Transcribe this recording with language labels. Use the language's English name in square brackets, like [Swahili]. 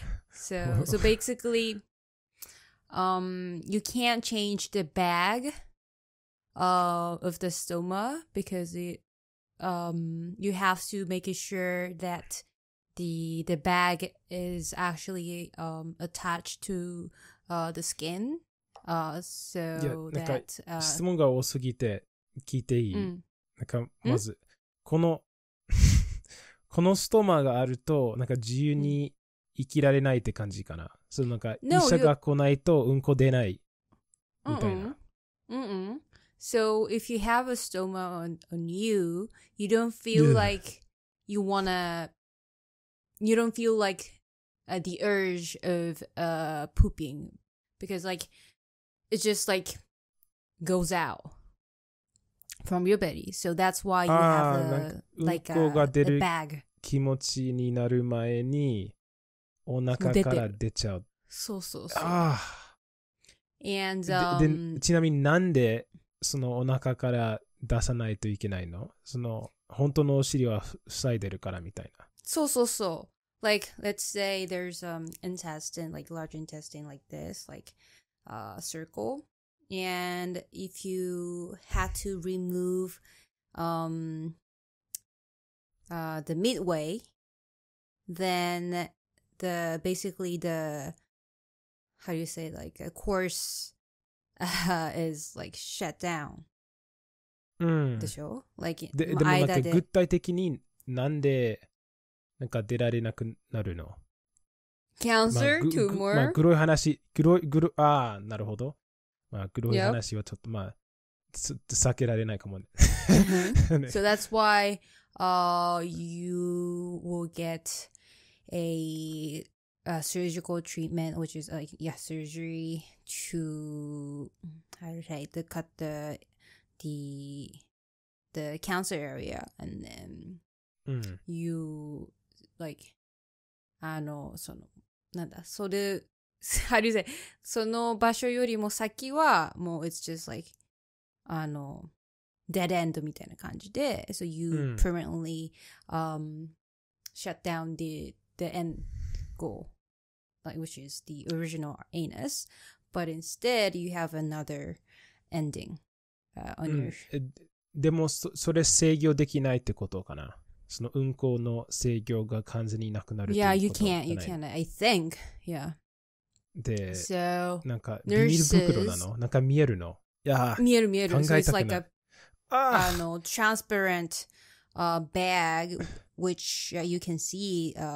[English] So basically, you can't change the bag of the stoma because it you have to make sure that the bag is actually attached to the skin. So that [Japanese] 質問が多すぎて聞いていい。なんかまずこのこのストーマがあるとなんか自由に生きられないって感じかな。そのなんか医者が来ないとうんこ出ないみたいな。 Mm-mm. Mm-mm. [English] So if you have a stoma on you, you don't feel like you wanna, you don't feel like the urge of pooping because like it just like goes out from your belly. So that's why you have a bag. [Japanese] 気持ちになる前にお腹から出ちゃう。そうそうそう。ああ。 [English] And [Japanese] ちなみになんでそのお腹から出さないといけないの？その本当のお尻は塞いでるからみたいな。そうそうそう。 [English] Like let's say there's intestine, like large intestine like this, like a circle. And if you had to remove the midway, then the basically the how do you say like a course is like shut down. [Japanese] でしょ？ [English] Like [Japanese] でもなんか具体的になんでなんか出られなくなるの？ [English] Cancer tumor。 [Japanese] まあ黒い話、黒い、ああなるほど。まあ黒い話はちょっとまあ避けられないかもね。 [English] So that's why you will get a surgical treatment, which is like yeah, surgery to how to say to cut the cancer area, and then you like how do you say [Japanese] その場所よりも先はもう [English] it's just like dead end [Japanese] みたいな感じで、 [English] so you permanently shut down the end goal, like which is the original anus, but instead you have another ending on your [Japanese] でもそれ制御できないってことかな。その運行の制御が完全になくなるってことかな。 [English] Yeah, you can't. I think. Yeah. [Japanese] で、 [English] so, [Japanese] なんかビニール袋なの？なんか見えるの？いや、見える見える。考えたくない。 [English] So it's like a transparent bag which you can see